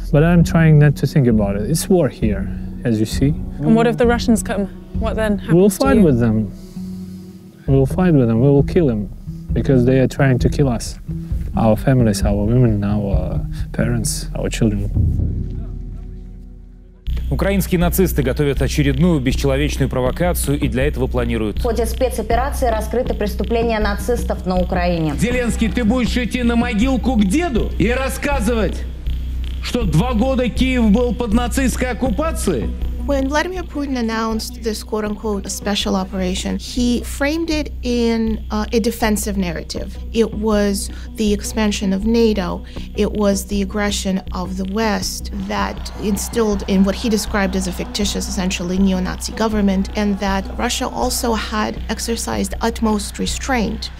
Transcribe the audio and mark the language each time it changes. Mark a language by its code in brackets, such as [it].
[en] But I'm trying not to think about it. It's war here, as you see. And what if the Russians come? What then happens? We'll fight with them. We will fight with them, we will kill them, because they are trying to kill us. Our families, our women, our parents, our children. [ru] Украинские нацисты готовят очередную бесчеловечную провокацию и для этого планируют. В ходе спецоперации раскрыты преступления нацистов на Украине. Зеленский, ты будешь идти на могилку к деду и рассказывать, Что два года Киев был под нацистской оккупацией? [en] When Vladimir Putin announced this quote-unquote special operation, he framed it in a defensive narrative. It was the expansion of NATO. It was the aggression of the West that instilled in what he described as a fictitious, essentially neo-Nazi government, and that Russia also had exercised utmost restraint.